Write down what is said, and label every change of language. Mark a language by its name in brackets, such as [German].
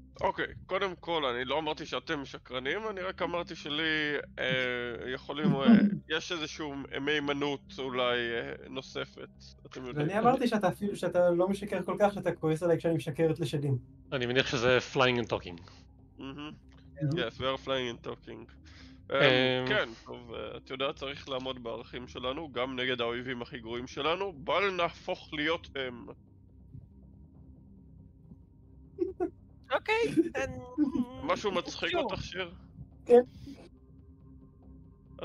[Hebrew] אוקיי, קודם כל, אני לא אמרתי שאתם שקרנים, אני רק אמרתי שלי יכולים, יש איזשהו מיימנות אולי נוספת, אתם יודעים. ואני אמרתי שאתה אפילו, שאתה לא משקר כל כך, שאתה כועס עליי כשאני משקרת לשדים. אני מניח שזה [English] flying and talking. Yes, we are flying and talking. [Hebrew] כן, טוב, את יודעת, צריך לעמוד בערכים שלנו, גם נגד האויבים הכי גרועים שלנו, בל נהפוך להיות הם. אוקיי, משהו מצחיק אותך, שיר? כן.